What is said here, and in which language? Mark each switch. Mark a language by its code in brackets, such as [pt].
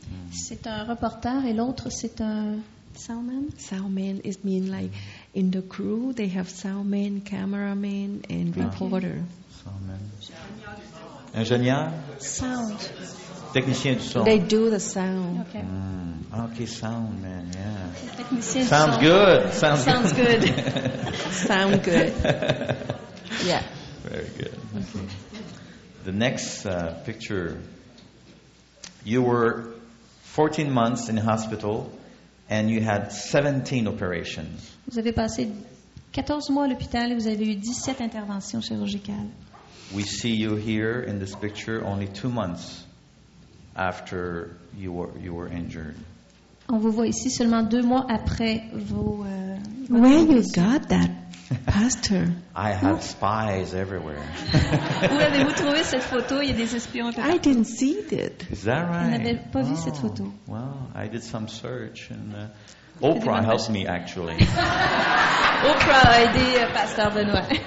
[fr] C'est un reporter et l'autre c'est un soundman. [en] Soundman is mean like in the crew they have soundman, cameraman, and reporter. [fr] Soundman. Ingénieur. [en] Sound. [fr] Technicien du son. [en] They do the sound. Okay. Mm. Okay, sound man. Yeah. [fr] Technicien [en] sounds [fr] son. [en] Good. Sounds good. Sound good. Yeah. Very good. Okay. The next picture. You were 14 months in hospital, and you had 17 operations. [fr] Vous avez passé 14 mois à l'hôpital et vous avez eu 17 interventions chirurgicales. [en] We see you here in this picture only 2 months after you were injured. [fr] On vous voit ici seulement 2 mois après vos. [en] Where you got that, pastor? I have spies everywhere. [fr] Où avez-vous trouvé cette photo? Il y a des espions. [en] I didn't see it. Is that right? [fr] Vous n'avez pas vu cette photo. [en] Well, I did some search and Oprah helps me actually. [fr] Oprah a aidé pasteur Benoît.